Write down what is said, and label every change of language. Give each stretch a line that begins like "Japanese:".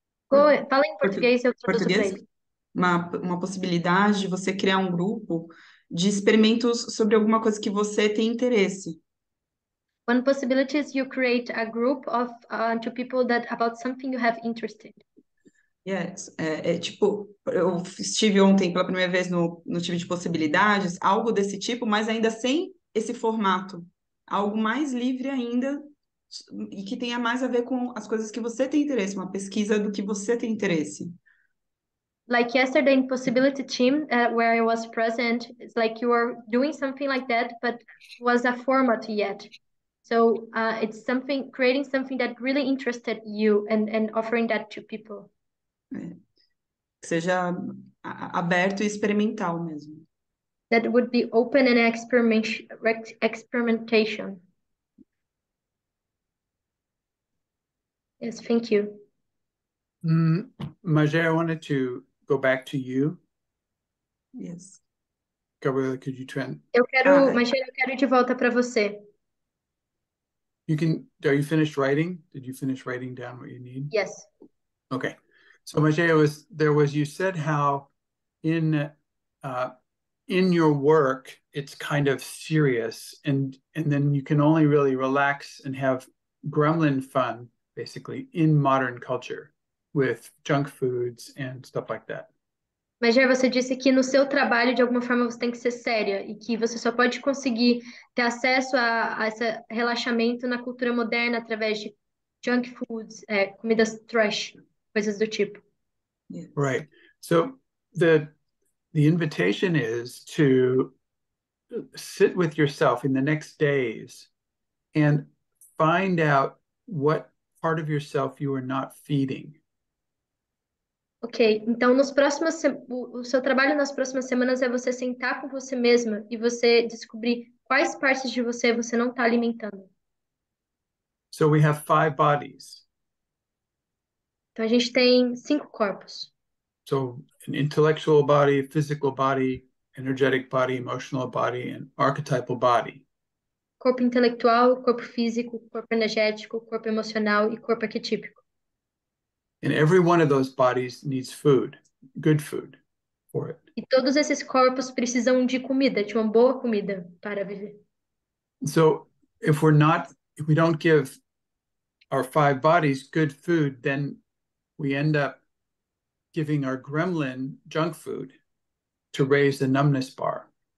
Portuguese: Go, fala em português, eu traduzo para ele. Uma possibilidade de você criar um grupo de experimentos sobre alguma coisa que você tem interesse.
English: One possibility is you create a group of two people that about something you have interest in.
Portuguese: Yes, tipo, eu estive ontem pela primeira vez no time de possibilidades, algo desse tipo, mas ainda sem esse formato. Algo mais livre ainda e que tenha mais a ver com as coisas que você tem interesse, uma pesquisa do que você tem interesse.
English: Like yesterday in possibility team, where I was present, it's like you are doing something like that, but was a format yet. So it's something, creating something that really interested you and offering that to people.
Portuguese: Seja aberto e experimental mesmo.
English: That would be open and experimentation. Yes, thank you. Majer, I wanted to go back to you. Yes. Gabriela, could you turn?
Portuguese: Eu quero, Majer, eu quero de volta para você.
English: You can, are you finished writing? Did you finish writing down what you need? Yes. Okay. So Majer, you said how in your work it's kind of serious and then you can only really relax and have gremlin fun basically in modern culture with junk foods and stuff like that.
Portuguese: Majer, você disse que no seu trabalho de alguma forma você tem que ser séria e que você só pode conseguir ter acesso a esse relaxamento na cultura moderna através de junk foods, comidas trash, coisas do tipo.
English: Yes. Right. So the invitation is to sit with yourself in the next days and find out what part of yourself you are not feeding.
Portuguese: Ok, então nos próximos o seu trabalho nas próximas semanas é você sentar com você mesma e você descobrir quais partes de você você não está alimentando.
English: So we have five bodies.
Portuguese: Então a gente tem cinco corpos.
English: So an intellectual body, physical body, energetic body, emotional body, and archetypal body.
Portuguese: Corpo intelectual, corpo físico, corpo energético, corpo emocional e corpo arquetípico.
English: And every one of those bodies needs food, good food for it.
Portuguese: E todos esses corpos precisam de comida, de uma boa comida para viver.
English: So if we're not, if we don't give our five bodies good food, then we end up giving our gremlin junk food to raise the numbness bar.